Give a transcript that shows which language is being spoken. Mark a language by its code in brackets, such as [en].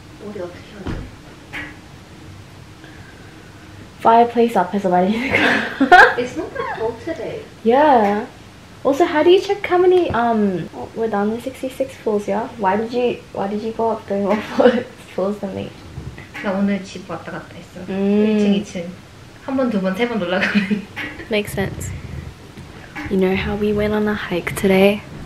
[en] What do you want to do? Fireplace up has a light in the car. It's not that cold today. Yeah. Also, how do you check how many we're down with 66 floors, yeah? Why did you go up three more floors than me? [ko] 나 오늘 집 왔다 갔다 했어. 1층, 2층. 한 번, 두 번, 세 번 올라가면. [en] Makes sense. You know how we went on a hike today?